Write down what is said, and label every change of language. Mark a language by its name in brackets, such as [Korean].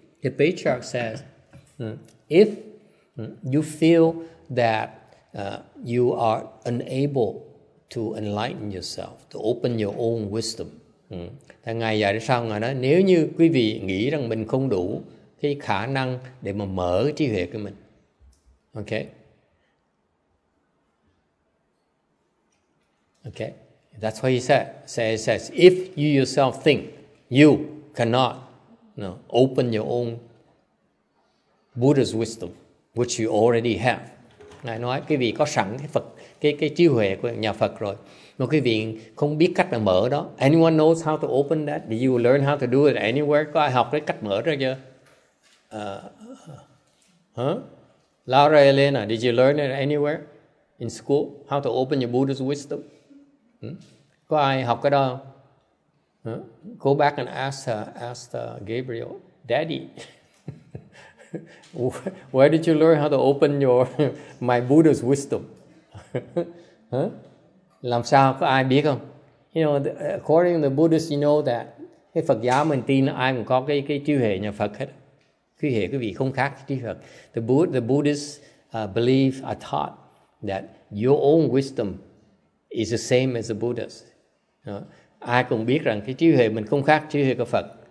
[English] The patriarch says, if you feel that you are unable to enlighten yourself, to open your own wisdom. [Vietnamese] Thì ngài dạy sao ngài nói nếu như quý vị nghĩ rằng mình không đủ cái khả năng để mà mở trí huệ của mình. [English] Okay. That's what he said. Says if you yourself think you cannot open your own Buddha's wisdom, which you already have. [Vietnamese] Ngài nói quý vị có sẵn cái Phật, cái trí huệ của nhà Phật rồi, mà quý vị không biết cách mà mở đó. [English] Anyone knows how to open that? Did you learn how to do it anywhere? [Vietnamese] Có ai học cái cách mở ra chưa? [English] Laura Elena, did you learn it anywhere in school? How to open your Buddha's wisdom? [Vietnamese] Có ai học cái đó không? [English] Go back and ask Gabriel, Daddy. Where did you learn how to open my Buddha's wisdom? [Vietnamese] Làm sao có ai biết không? [English] You know, according to the Buddhists, you know that [Vietnamese] cái Phật giáo mình tin ai cũng có cái trí huệ nhà Phật hết. Trí huệ quý vị không khác trí Phật. [English] The Buddhists believe are taught that your own wisdom is the same as the Buddha's. [Vietnamese] Ai cũng biết rằng cái trí huệ mình không khác trí huệ của Phật.